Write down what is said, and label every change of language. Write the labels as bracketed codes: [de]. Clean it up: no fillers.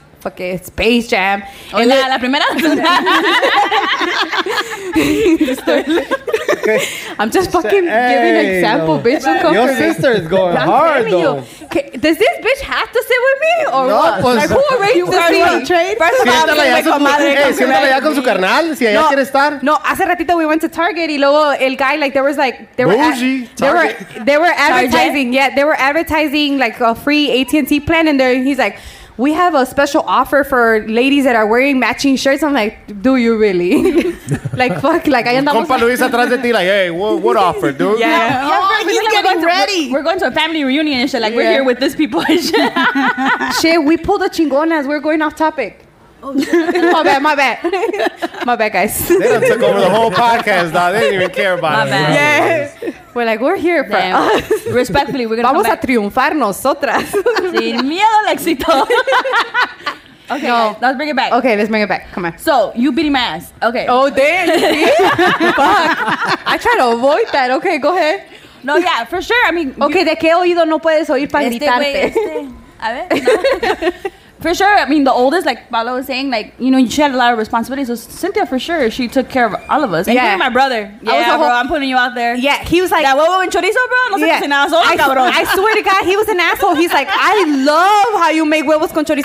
[en] Fucking Space Jam. [es] Hola, la primera. [en] I'm just fucking giving an example, bitch. Your sister's going hard, though. Does this bitch have to sit with me? Or no, what? [es] Pues, [en] like, who arranged this deal? First of all, [es] siéntala ya con su carnal, si ella quiere estar. [en] No, [es] hace ratito [en] we went to Target, [es] y luego el [en] guy, like, there was, like... They were advertising, a free AT&T plan, and he's like... We have a special offer for ladies that are wearing matching shirts. I'm like, do you really? Like, fuck. Like, I end up... [es] Compa Luis atrás de ti, [en] like, hey, what offer, dude? Yeah, we're getting ready. We're going to a family reunion and shit. Like, yeah. We're here with these people and shit. Shit, we pulled the chingonas. We're going off topic. Oh, my bad. My bad, guys. They done took over the whole podcast, dog. They didn't even care about it. My bad. Yeah. We're like, we're here for us. Respectfully, we're going to come back. [es] Vamos a triunfar nosotras. Sin miedo al éxito. [en] Okay, no. Guys, let's bring it back. Okay, let's bring it back. Come on. So, you beating my ass. Okay. Oh, damn. Fuck. I try to avoid that. Okay, go ahead. No, yeah, for sure. I mean. [es] Okay, de qué oído no puedes oír para gritarte. Este. A ver. No. [en] For sure, I mean, the oldest, like Paula was saying, like, you know, she had a lot of responsibilities. So Cynthia, for sure, she took care of all of us. Yeah. Including my brother. Yeah, I was like, bro, I'm putting you out there. Yeah, he was like... [es] Yeah, whoa, chorizo, bro? No sé qué asola, cabrón. [en] I swear to God, he was an asshole. He's like, I love how you make [es] huevos con chorizo.